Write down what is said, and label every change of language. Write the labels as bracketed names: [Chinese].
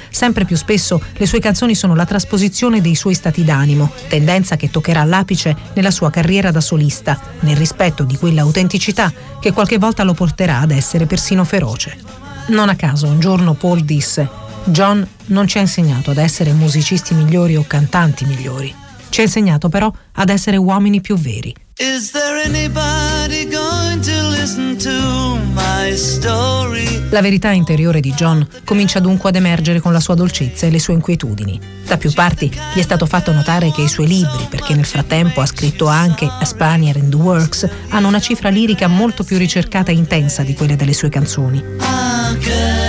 [Italian] Sempre più spesso le sue canzoni sono la trasposizione dei suoi stati d'animo, tendenza che toccherà l'apice nella sua carriera da solista, nel rispetto di quell'autenticità che qualche volta lo porterà ad essere persino feroce. Non a caso un giorno Paul disse: John non ci ha insegnato ad essere musicisti migliori o cantanti migliori, ci ha insegnato però ad essere uomini più veri. [English] Is there anybody going to listen to my story? [Italian] La verità interiore di John comincia dunque ad emergere con la sua dolcezza e le sue inquietudini. Da più parti gli è stato fatto notare che i suoi libri, perché nel frattempo ha scritto anche A Spaniard in the Works, hanno una cifra lirica molto più ricercata e intensa di quelle delle sue canzoni.